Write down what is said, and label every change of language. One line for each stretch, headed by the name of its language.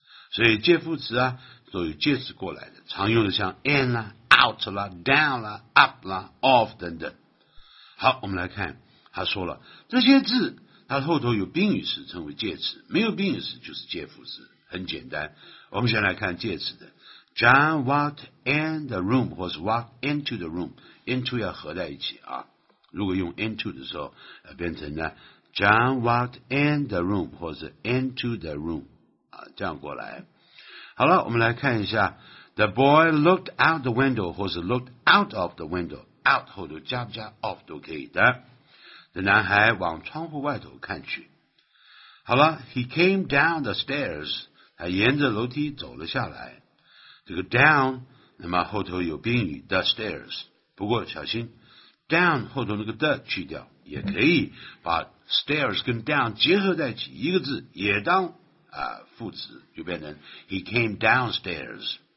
Chinese: 所以介副词啊都有介词过来的，常用的像 in 啦、out 啦、down 啦、up 啦、off 等等。好，我们来看，他说了这些字，它后头有宾语时称为介词，没有宾语时就是介副词，很简单。我们先来看介词的
English: John walked in the room, 或是 walk into the room, into
Chinese: 要合在一起啊。
English: 如果用 into
Chinese: 的时候、变成呢
English: John walked in the room, 或是 into the room,
Chinese: 啊，这样过来。好了，我们来看一下
English: The boy looked out the window, 或是 looked out of the window, out 或者加不加 of
Chinese: 都可以的。 The 男孩往窗户外头看去。好了 ,
English: he came down the stairs,
Chinese: 他沿着楼梯走了下来。这个 down, 那么后头有宾语 the stairs, 不过小心 ,down 后头那个 the 去掉也可以把 stairs 跟 down 结合在一起一个字也当啊副词就变成
English: he came downstairs,